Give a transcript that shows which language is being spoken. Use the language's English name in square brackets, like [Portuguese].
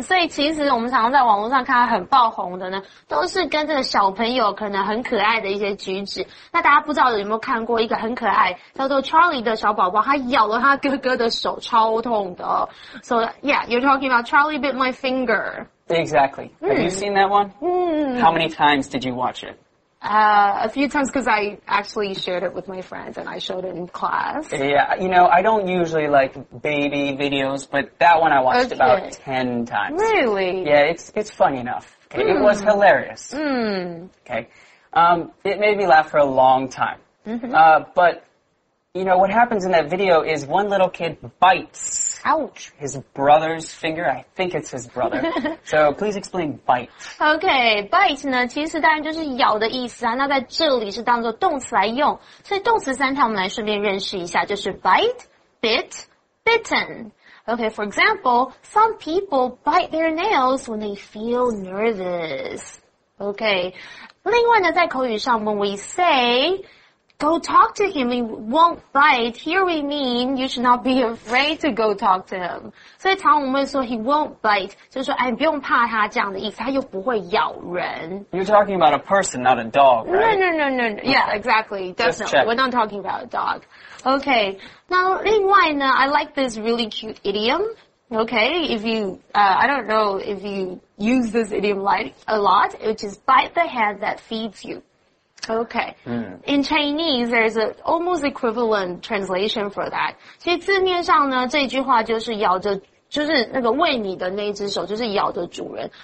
[Chinese] 所以其实我们常常在网络上看到很爆红的呢，都是跟这个小朋友可能很可爱的一些举止。那大家不知道有没有看过一个很可爱叫做 Charlie 的小宝宝，他咬了他哥哥的手，超痛的。 [English] So yeah, you're talking about Charlie bit my finger. Exactly. Have you seen that one? How many times did you watch it? A few times because I actually shared it with my friends and I showed it in class. Yeah, you know, I don't usually like baby videos, but that one I watched about 10 times. Really? Yeah, it's funny enough. Okay, it was hilarious. Okay. It made me laugh for a long time. But, you know, what happens in that video is one little kid bites. Ouch. His brother's finger. I think it's his brother. So please explain bite. [Chinese] Okay, bite 呢其实当然就是咬的意思啊。那在这里是当作动词来用。所以动词三条我们来顺便认识一下，就是 [English] bite, bit, bitten. Okay, for example, some people bite their nails when they feel nervous. Okay. [Chinese] 另外呢在口语上 [English] when we say... Go talk to him, he won't bite. Here we mean you should not be afraid to go talk to him. [Chinese] 所以常我们会说 [English] he won't bite, [Chinese] 就是说哎不用怕他这样的意思，他又不会咬人。 [English] You're talking about a person, not a dog, right? No. Yeah, exactly. Definitely. We're not talking about a dog. Okay. [Chinese] 那另外呢 [English] I like this really cute idiom. Okay. If you, I don't know if you use this idiom like a lot, which is bite the hand that feeds you. Okay. In Chinese, there's an almost equivalent translation for that. [Chinese] 其实字面上呢这句话就是咬着就是那个喂你的那只手就是咬着主人。